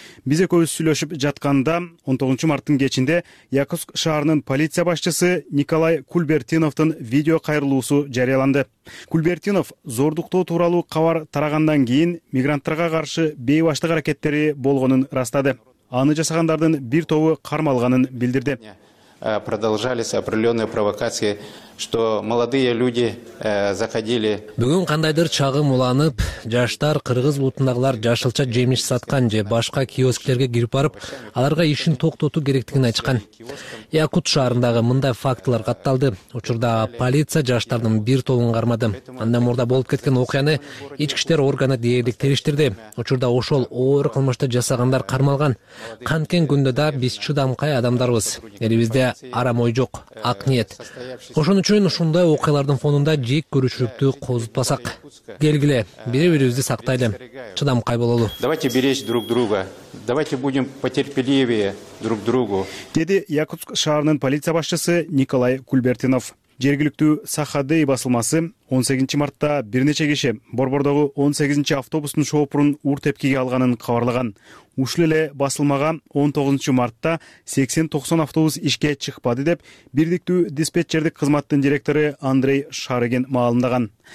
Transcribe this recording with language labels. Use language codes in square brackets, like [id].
[ky] Биз экөөбүз сүйлөшүп жатканда 19 марттын кечинде Якутск шаарынын полиция башчысы Николай Кульбертиновдун видео кайрылуусу жарыяланды. Кульбертинов зордуктоо тууралуу кабар тарагандан кийин мигранттарга каршы бейбаштык аракеттери болгонун ырастады. Аны жасагандардын бир тобу кармалганын билдирди. [ru] Продолжались определенные провокации, что молодые люди заходили. [ky] Бүгүн кандайдыр чагым уланып, жаштар кыргыз улутундагылар жашылча жемиш саткан же башка киосктерге кирип барып, аларга ишин токтотуу керектигин айткан. Якут шаарындагы мындай фактылар катталды. Учурда полиция жаштардын бир тобун кармады. Андан мурда болуп кеткен окуяны ички иштер органы дээрлик териштирди. Учурда ошол оор кылмышты жасагандар кармалган. Канткен күндө да биз чыдамкай адамдарбыз. Элибизде арам ой жок, ак ниет. Ошон үчүн ушундай окуялардын фонунда жек көрүүчүлүктү козутпасак белгиле, бири бирибизди сактайлы, чыдамкай бололу. [ru] Давайте беречь друг друга, давайте будем потерпеливее друг другу, [ky] деди Якутск шаарынын полиция башчысы Николай Кульбертинов. Жергиликтүү Сахадей басылмасы 18 мартта бир нече киши борбордогу 18-автобустун шоопурун ур тепкиге алганын кабарлаган. Ушул эле басылмага 19 мартта 80-90 автобус ишке чыкпады деп бирдиктүү диспетчердик кызматтын директору Андрей Шарыгин маалымдаган.